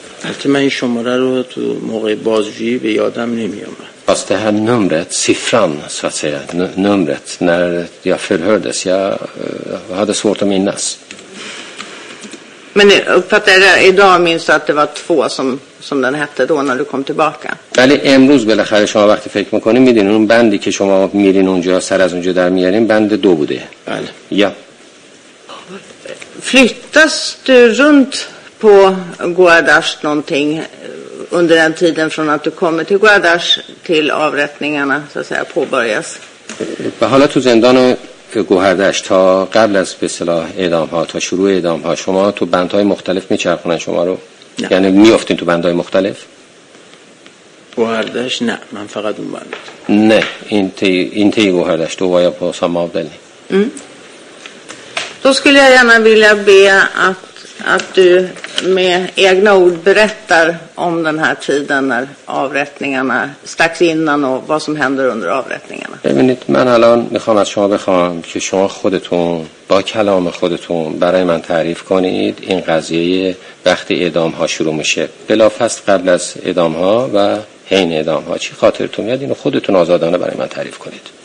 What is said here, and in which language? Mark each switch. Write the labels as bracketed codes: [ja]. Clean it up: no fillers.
[sv] Alltså men numret då på [fa] موقع بازجویی به یادم نمیومد. [sv] Fast det här numret, siffran så att säga, numret när jag förhördes, jag hade svårt att minnas. Men uppfattar jag idag minns att det var två som den hette då när du kom tillbaka. [fa] بله امروز بالاخره شما وقتی فکر می‌کنید می‌دونید اون بندی که شما میرین اونجا سر از اونجا در میارین بند دو بوده. بله. یا [sv] flyttas du runt på Guadash någonting under den tiden från att du kommer till Guadash till avrättningarna så att säga påbörjas? [fa] به حالا تو زندان گوهردش تا قبل از به اصطلاح اعدام ها تا شروع اعدام ها شما تو بندهای مختلف میچرخونن شما رو نه. یعنی میافتین تو بندهای مختلف گوهردش نه من فقط اون بند نه این تی گوهردش تو وایا پاسا ما بلی [sv] تو skulle jag gärna vilja be att du med egna ord berättar om den här tiden när avrättningarna strax innan och vad som händer under avrättningarna. [fa] ببینید من الان میخوام از شما بخوام که شما خودتون با کلام خودتون برای من تعریف کنید این قضیه وقتی اعدام ها شروع میشه بلافاصله قبل از اعدام ها و حین اعدام ها چی خاطرتون میاد اینو خودتون آزادانه برای من تعریف کنید.